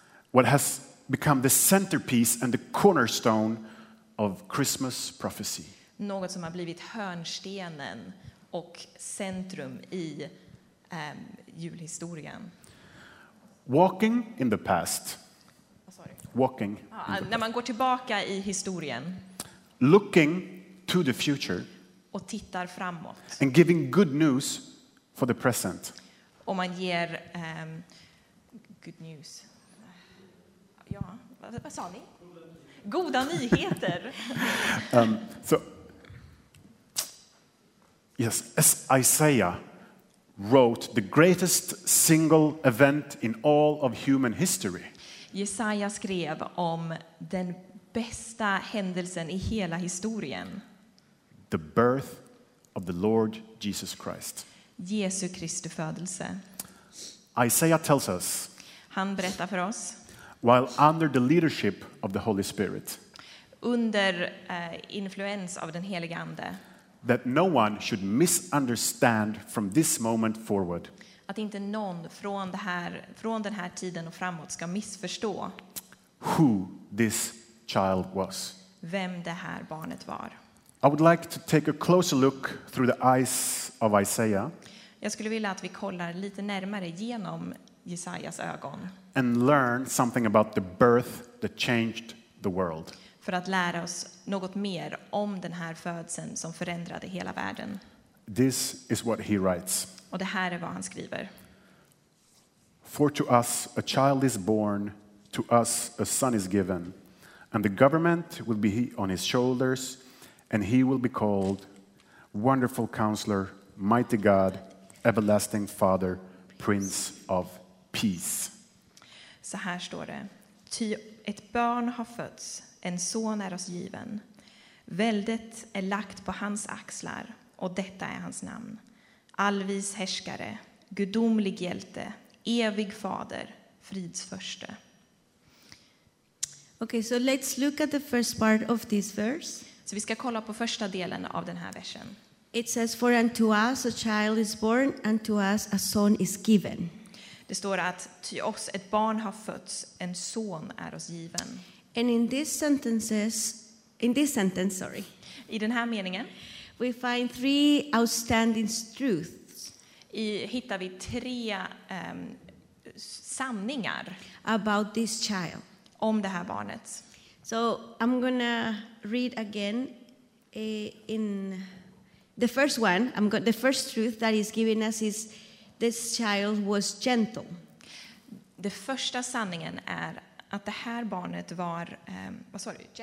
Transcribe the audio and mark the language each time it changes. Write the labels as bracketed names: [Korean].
[English] what has become the centerpiece and the cornerstone of Christmas prophecy. [Swedish] Något som har blivit hörnstenen och centrum i julhistorien. [English] Walking in the past. Walking. [Swedish] När man går tillbaka i historien. [English] Looking to the future. [Swedish] Och tittar framåt. [English] And giving good news for the present. [Swedish] Och man ger [English] good news. [Swedish] Ja, vad sa ni? Goda nyheter. [English] Yes, as Isaiah wrote the greatest single event in all of human history. [Swedish] Jesaja skrev om den bästa händelsen i hela historien. [English] The birth of the Lord Jesus Christ. [Swedish] Jesu Kristi födelse. [English] Isaiah tells us. [Swedish] Han berättar för oss. [English] While under the leadership of the Holy Spirit. [Swedish] Under influens av den helige ande. [English] That no one should misunderstand from this moment forward. [Swedish] Att inte någon från det här, från den här tiden och framåt ska missförstå [English] who this child was. [Swedish] Vem det här barnet var. [English] I would like to take a closer look through the eyes of Isaiah. [Swedish] Jag skulle vilja att vi kollar lite närmare genom Jesajas ögon. [English] And learn something about the birth that changed the world. [Swedish] För att lära oss något mer om den här födseln som förändrade hela världen. [English] This is what he writes. [Swedish] Och det här är vad han skriver. [English] For to us a child is born, to us a son is given, and the government will be on his shoulders, and he will be called Wonderful Counselor, Mighty God, Everlasting Father, Prince of Peace. [Swedish] Så här står det. Ty ett barn har fötts, en son är oss given. Väldet är lagt på hans axlar, och detta är hans namn. Allvis härskare, gudomlig hjälte, evig fader, fridsförste. [English] Okay, so let's look at the first part of this verse. [Swedish] Så vi ska kolla på första delen av den här versen. [English] It says, for unto us a child is born, and to us a son is given. [Swedish] Det står att till oss ett barn har fötts, en son är oss given. [English] And in this sentences, in this sentence, sorry. [Swedish] I den här meningen. [English] We find three outstanding truths. [Swedish] I hittar vi tre sanningar [English] about this child. [Swedish] Om det här barnet. [English] So I'm gonna read again in the first one. The first truth that is giving us is this child was gentle. [Swedish] Det första sanningen är att det här barnet var vad sa du?